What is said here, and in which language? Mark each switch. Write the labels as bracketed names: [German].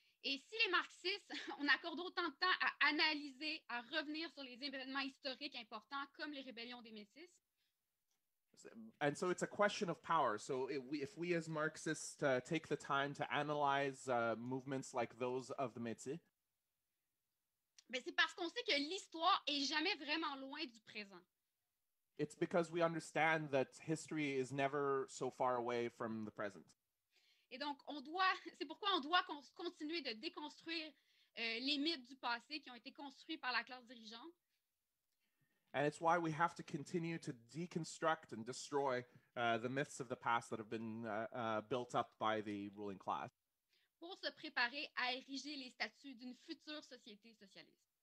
[French] Et si les marxistes, on accorde autant de temps à analyser, à revenir sur les événements historiques importants comme les rébellions des Métis. [English] And so it's a question of power. So if we as Marxists take the time to analyze movements like those of the Métis, [French] mais c'est parce qu'on sait que l'histoire est jamais vraiment loin du présent. [English] It's because we understand that history is never so far away from the present. [French] Et donc c'est pourquoi on doit continuer de déconstruire les mythes du passé qui ont été construits par la classe dirigeante. [English] And it's why we have to continue to deconstruct and destroy the myths of the past that have been built up by the ruling class. [French] Pour se préparer à ériger les statues d'une future société socialiste.